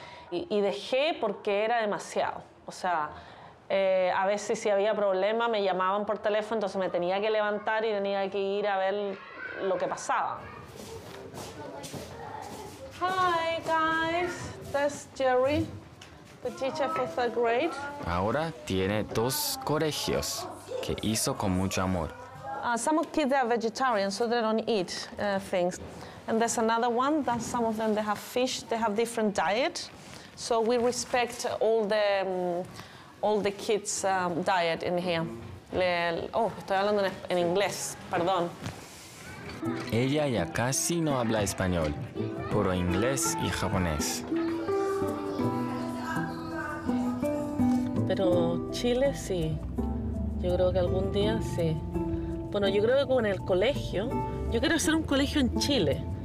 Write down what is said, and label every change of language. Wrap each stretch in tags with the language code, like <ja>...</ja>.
<es>Y dejé porque era demasiado. O sea, a veces si había problema me llamaban por teléfono, entonces me tenía que levantar y tenía que ir a ver lo que pasaba.</es> <en>Hi guys, that's Jerry. The teacher for third grade.</en> <es>Ahora tiene dos colegios que hizo con mucho amor.</es> <en>Some of the kids are vegetarian, so they don't eat things. And there's another one that some of them they have fish. They have different diet, so we respect all the kids' diet in here.</en> <es>Estoy hablando en inglés. Perdón. Ella ya casi no habla español, puro inglés y japonés. Pero Chile sí, yo creo que algún día sí. Bueno, yo creo que con el colegio, yo quiero hacer un colegio en Chile.</es>